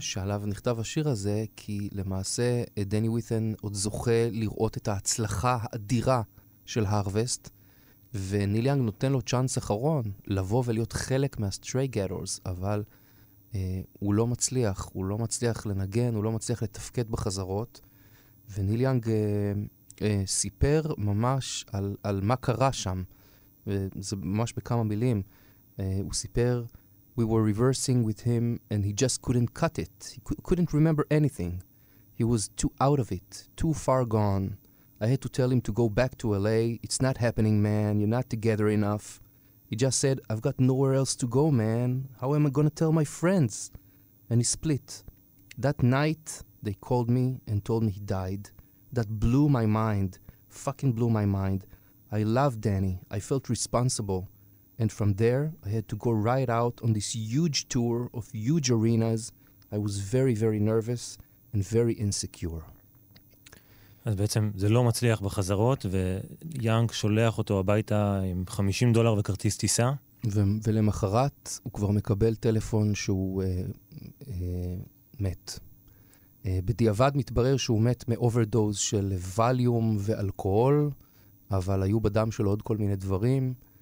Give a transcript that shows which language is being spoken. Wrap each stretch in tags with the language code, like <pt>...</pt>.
<he>שעליו נכתב השיר הזה, כי למעשה דני וויתן עוד זוכה לראות את ההצלחה האדירה של הרווסט, וניל יאנג נותן לו צ'אנס אחרון לבוא ולהיות חלק מהסטרי גטורס, אבל הוא לא מצליח, הוא לא מצליח לנגן, הוא לא מצליח לתפקד בחזרות, וניל יאנג סיפר ממש על מה קרה שם, וזה ממש בכמה מילים, הוא סיפר,</he> <en>"We were reversing with him and he just couldn't cut it. He couldn't remember anything. He was too out of it, too far gone. I had to tell him to go back to LA. It's not happening, man. You're not together enough." He just said, "I've got nowhere else to go, man. How am I going to tell my friends?" And he split. That night, they called me and told me he died. That blew my mind. Fucking blew my mind. I loved Danny. I felt responsible. And from there, I had to go right out on this huge tour of huge arenas. I was very, very nervous and very insecure.</en> <he>אז בעצם זה לא מצליח בחזרות, ויאנג שולח אותו הביתה עם $50 וכרטיס טיסה. ולמחרת הוא כבר מקבל טלפון שהוא מת. בדיעבד מתברר שהוא מת מאוברדוז של ווליום ואלכוהול, אבל היו בדם שלו עוד כל מיני דברים.</he>